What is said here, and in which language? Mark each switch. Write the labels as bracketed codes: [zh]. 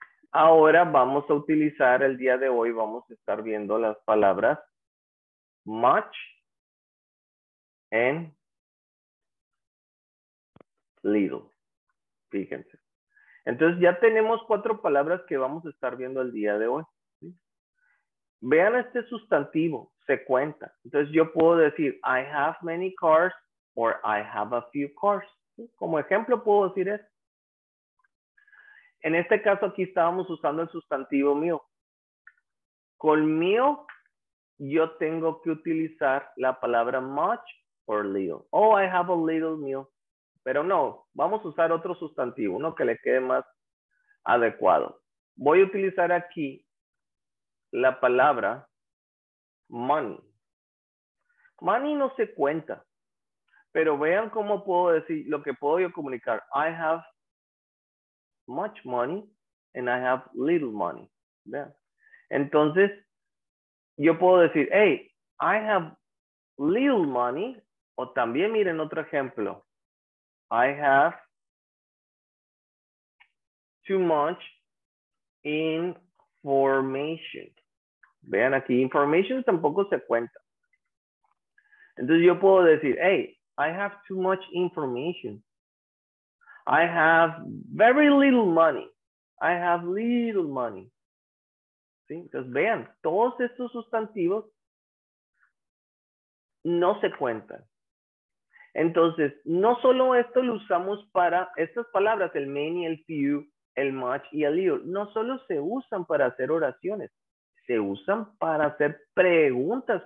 [es] Ahora vamos a utilizar el día de hoy, vamos a estar viendo las palabras much and little. Fíjense. Entonces, ya tenemos 4 palabras que vamos a estar viendo el día de hoy. ¿Sí? Vean este sustantivo, se cuenta. Entonces, yo puedo decir, [en] I have many cars, or I have a few cars. [es] ¿Sí? Como ejemplo, puedo decir eso. En este caso, aquí estábamos usando el sustantivo mío. Con mío, yo tengo que utilizar la palabra much or little. [en] Oh, I have a little meal. [es] Pero no, vamos a usar otro sustantivo, uno que le quede más adecuado. Voy a utilizar aquí la palabra money. Money no se cuenta, pero vean cómo puedo decir, lo que puedo yo comunicar. [en] I have much money and I have little money. them. [es] Entonces, yo puedo decir, hey, [en] I have little money. [es] O también miren otro ejemplo. [en] I have too much information. [es] Vean aquí, information tampoco se cuenta. Entonces yo puedo decir, hey, [en] I have too much information. I have very little money. I have little money. [es] ¿Sí? Entonces vean, todos estos sustantivos no se cuentan. Entonces, no solo esto lo usamos para estas palabras, el many, el few, el much y el little. No solo se usan para hacer oraciones, se usan para hacer preguntas.